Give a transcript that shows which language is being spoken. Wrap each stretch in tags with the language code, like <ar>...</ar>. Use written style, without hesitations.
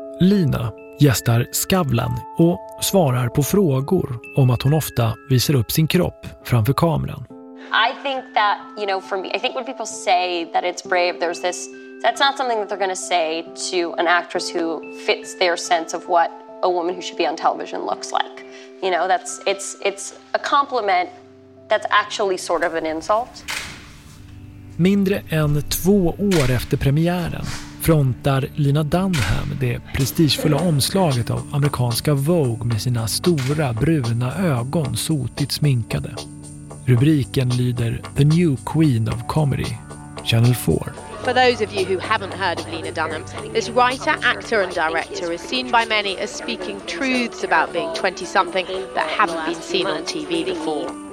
<sv>Lina gästar Skavlan och svarar på frågor om att hon ofta visar upp sin kropp framför kameran.</sv> <en>I think that, you know, for me, I think when people say that it's brave, there's this, that's not something that they're going to say to an actress who fits their sense of what a woman who should be on television looks like. You know, that's, it's a compliment that's actually sort of an insult.</en> <sv>Mindre än 2 år efter premiären frontar Lena Dunham det prestigefulla omslaget av amerikanska Vogue med sina stora bruna ögon sotigt sminkade. Rubriken lyder The New Queen of Comedy, Channel 4.</sv> <en>For those of you who haven't heard of Lena Dunham, this writer, actor and director is seen by many as speaking truths about being 20-something that haven't been seen on TV before.</en>